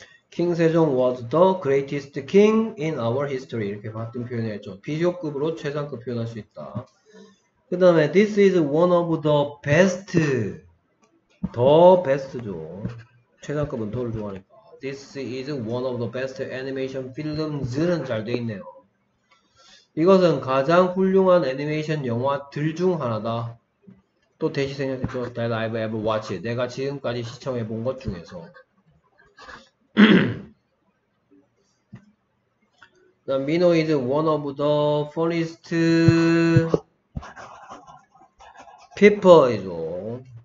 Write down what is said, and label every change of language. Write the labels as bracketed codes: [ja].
[en] 킹 세종 was the greatest king in our history. [ko] 이렇게 바뀐 표현을 했죠. 비교급으로 최상급 표현할 수 있다. 그 다음에 [en] this is one of the best. [ko] 더 베스트죠. 최상급은 더를 좋아하니까. [en] This is one of the best animation films는 [ko] 잘 돼 있네요. 이것은 가장 훌륭한 애니메이션 영화들 중 하나다. 또 다시 생각해줘. [en] That I've ever watched. [ko] 내가 지금까지 시청해 본것 중에서. 그 다음 [en] 민호 is one of the funniest people. 이죠.